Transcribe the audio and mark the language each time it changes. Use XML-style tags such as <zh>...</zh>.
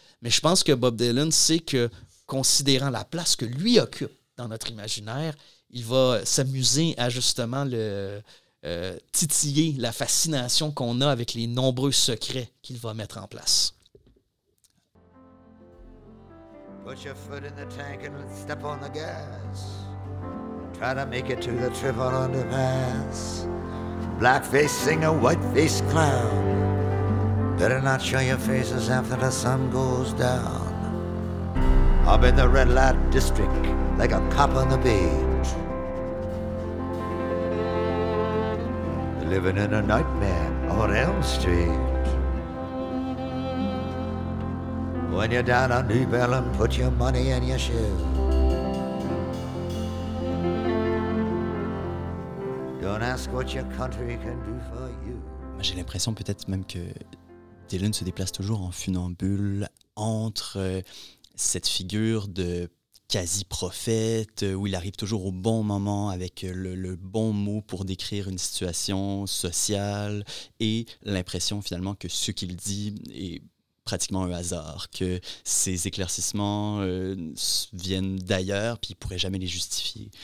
<fr>Mais je pense que Bob Dylan sait que, considérant la place que lui occupe dans notre imaginaire, il va s'amuser à justement le... titiller la fascination qu'on a avec les nombreux secrets qu'il va mettre en place.</fr> <en>Put your foot in the tank and step on the gas. Try to make it to the Trevor Underpass. Black face singer, white face clown. Better not show your faces after the sun goes down. I'm in the red light district like a cop on the beat. Living in a nightmare on Elm Street. When you're down on New Bellum, put your money in your shoe. Don't ask what your country can do for you.</en> <fr>J'ai l'impression peut-être même que Dylan se déplace toujours en funambule entre cette figure de quasi-prophète, où il arrive toujours au bon moment avec le bon mot pour décrire une situation sociale et l'impression finalement que ce qu'il dit est pratiquement un hasard, que ses éclaircissements viennent d'ailleurs puis il ne pourrait jamais les justifier.</fr>